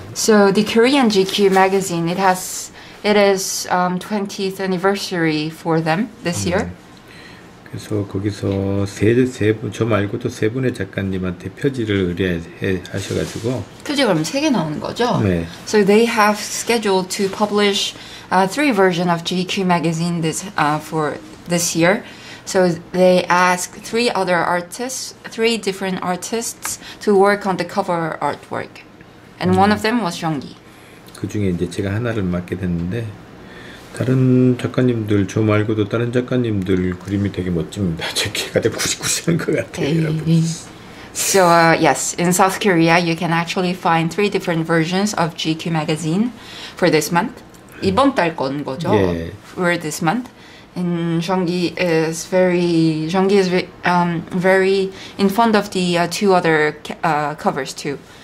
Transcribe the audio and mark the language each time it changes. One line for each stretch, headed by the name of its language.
English: So the Korean GQ magazine, it is 20th anniversary for them this year.
Korean: 그래서 거기서 저 말고도 세 분의 작가님한테 표지를 의뢰하셔가지고 표지 그럼 세 개 나오는 거죠? 네.
English: So they have scheduled to publish three version of GQ magazine for this year. So they ask three different artists to work on the cover artwork. And one of them was Zhang Yi.
Korean: 그 중에 이제 제가 하나를 맡게 됐는데 다른 작가님들 저 말고도 다른 작가님들 그림이 되게 멋집니다. 제 개가 되게 구시구시한 것 같아요.
English: Hey.
Korean: 여러분.
English: So yes, in South Korea, you can actually find three different versions of GQ magazine for this month.
Korean: 이번 달 건 거죠?
English: Yeah. For this month. And Jeonggi is very, Jeonggi is very in front of the two other covers too.